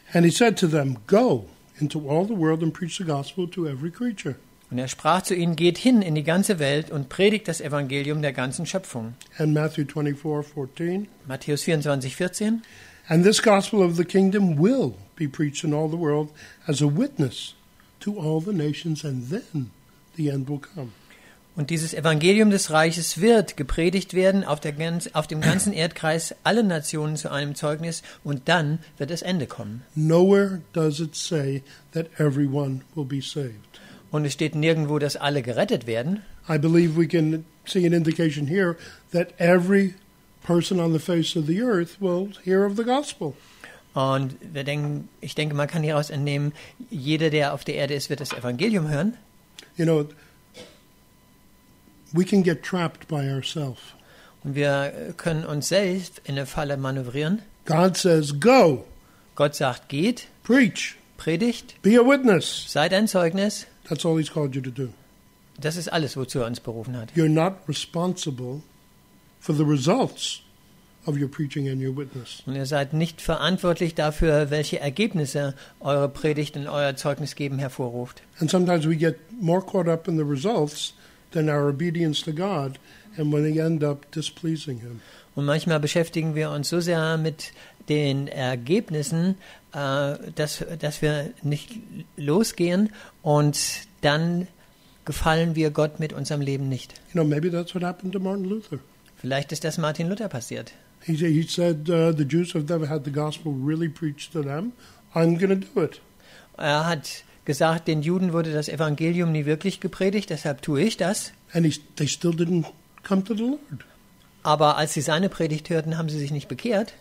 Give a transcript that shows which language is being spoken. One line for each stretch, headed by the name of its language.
English: And he said to them, go into all the world and preach the gospel to every creature.
German: Und er sprach zu ihnen, geht hin in die ganze Welt und predigt das Evangelium der ganzen Schöpfung.
English: And Matthew 24:14.
German: Matthäus 24:14.
English: And this gospel of the kingdom will be preached in all the world as a witness to all the nations, and then the end will come.
German: Und dieses Evangelium des Reiches wird gepredigt werden auf dem ganzen Erdkreis, alle Nationen zu einem Zeugnis, und dann wird das Ende kommen.
English: Nowhere does it say that everyone will be saved.
German: Und es steht nirgendwo, dass alle gerettet werden.
English: I believe we can see an indication here that every person on the face of the earth will hear of the gospel.
German: Und wir denken, ich denke, man kann hieraus entnehmen, jeder, der auf der Erde ist, wird das Evangelium hören.
English: You know, we can get trapped by ourselves.
German: Und wir können uns selbst in eine Falle manövrieren.
English: God says, go.
German: Gott sagt, geht.
English: Preach.
German: Predigt.
English: Be a witness.
German: Seid ein Zeugnis.
English: That's all he's called you to do.
German: Das ist alles, wozu er uns berufen hat.
English: You're not responsible for the results of your preaching and your witness.
German: Und ihr seid nicht verantwortlich dafür, welche Ergebnisse eure Predigt und euer Zeugnisgeben hervorruft.
English: And sometimes we get more caught up in the results than our obedience to God, and when we end up displeasing him.
German: Und manchmal beschäftigen wir uns so sehr mit den Ergebnissen, dass wir nicht losgehen, und dann gefallen wir Gott mit unserem Leben nicht.
English: You know, maybe that's what happened to Martin Luther.
German: Vielleicht ist das Martin Luther passiert.
English: He said, the Jews have never had the gospel really preached to them. I'm going to do it.
German: Er hat gesagt, den Juden wurde das Evangelium nie wirklich gepredigt, deshalb tue ich das.
English: And they still didn't come to the Lord.
German: Aber als sie seine Predigt hörten, haben sie sich nicht bekehrt.